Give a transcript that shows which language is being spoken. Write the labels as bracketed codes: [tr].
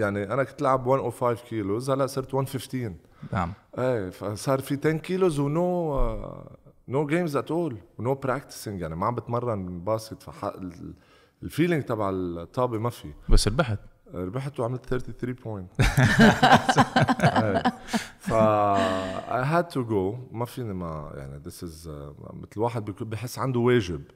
[ar] يعني انا كنت لعب 105 كيلو هلا صرت 115. نعم. اي فصار في 10 كيلو [en] ونو no gyms at all ونو practicing. [ar] يعني ما عم بتمرن باسكت. الفيلينج تبع الطابه ما في. بس ربحت. ربحت وعملت 33 بوينت. فا [en] I had to go. [ar] ما فيني ما يعني [en] this is [ar] مثل واحد بحس عنده واجب.